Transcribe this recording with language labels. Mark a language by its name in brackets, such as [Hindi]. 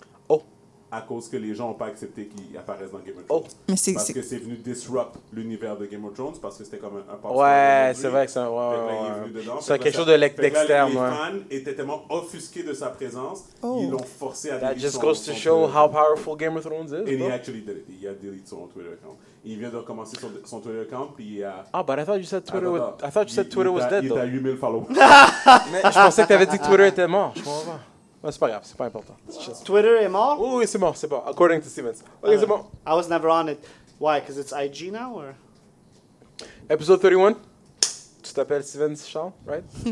[French] Oh. À cause que les gens n'ont pas accepté qu'il apparaisse dans Game of Thrones. Oh. Mais c'est, parce c'est... que c'est venu disrupt l'univers de Game of Thrones, parce que c'était comme un passage. Ouais, c'est vrai que c'est un... Ouais, ouais, ouais. C'est quelque chose d'externe. Les fans étaient tellement offusqués de sa présence, ils l'ont forcé à deleter son Twitter. [English] That just goes to show how powerful Game of Thrones is. And he actually did it. He had deleted son Twitter account. [French] Il vient de recommencer son Twitter account, puis il a... [English] Ah, but I thought you said Twitter, I thought you said Twitter was dead, though. [French] Il a 8000 followers. Mais je pensais que tu avais dit que Twitter était mort. Je comprends pas. Non, c'est pas grave, c'est pas important. Wow. Twitter est mort? Oui, oui, c'est mort, c'est mort. [English] According to Stevens. [French] Ok, c'est mort. [English] I was never on it. Why? Because it's IG now, or? [French] Episode 31. Tu t'appelles Stevens Charles, right?